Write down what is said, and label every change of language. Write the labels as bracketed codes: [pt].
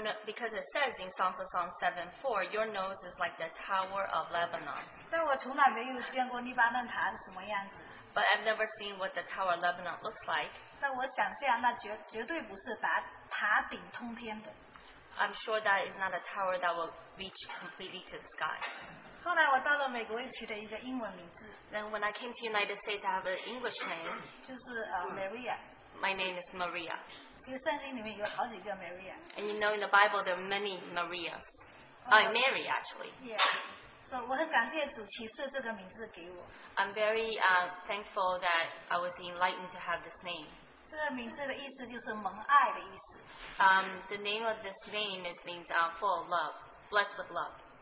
[en] because it says in Songs of Songs 7:4, your nose is like the Tower of Lebanon. [zh] 但我从来没有见过黎巴嫩塔是什么样子。 [en] But I've never seen what the Tower of Lebanon looks like. [zh] 那我想象那绝对不是塔顶通天的。 [en] I'm sure that is not a tower that will reach completely to the sky. [zh] 后来我到了美国取的一个英文名字。 [en] Then when I came to the United States, I have an English name. [zh] 就是 Maria. [en] My name is Maria. [zh] 其实圣经里面有好几个 Maria. [en] And you know in the Bible there are many Marias. Mary actually. Yeah. So, [zh] 我很感谢主启示这个名字给我。 [en] I'm very thankful that I was enlightened to have this name. [zh] 这个名字的意思就是蒙爱的意思。 [en] The name of this name is means full of love, blessed with love.